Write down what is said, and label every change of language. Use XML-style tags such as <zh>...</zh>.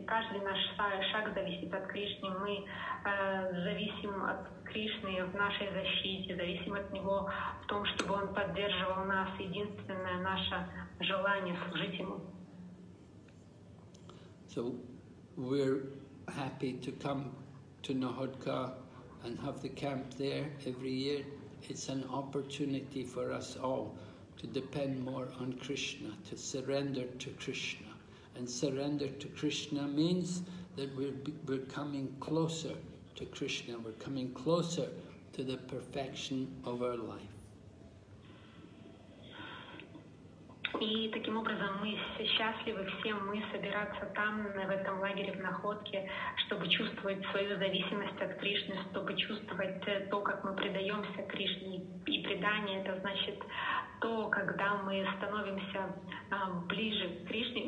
<ru>Каждый наш шаг зависит от Кришны. Мы зависим от Кришны в нашей защите, зависим от Него в том, чтобы Он поддерживал нас. Единственное наше желание — служить Ему.</ru> <en>So we're happy to come to Nohodka and have the camp there every year. It's an opportunity for us all to depend more on Krishna, to surrender to Krishna. And surrender to Krishna means that we're coming closer to Krishna, we're coming closer to the perfection of our life.</en> <ru>И таким образом мы счастливы всем мы собираться там, в этом лагере, в Находке, чтобы чувствовать свою зависимость от Кришны, чтобы чувствовать то, как мы предаемся Кришне. И предание — это значит то, когда мы становимся ближе к Кришне.</ru>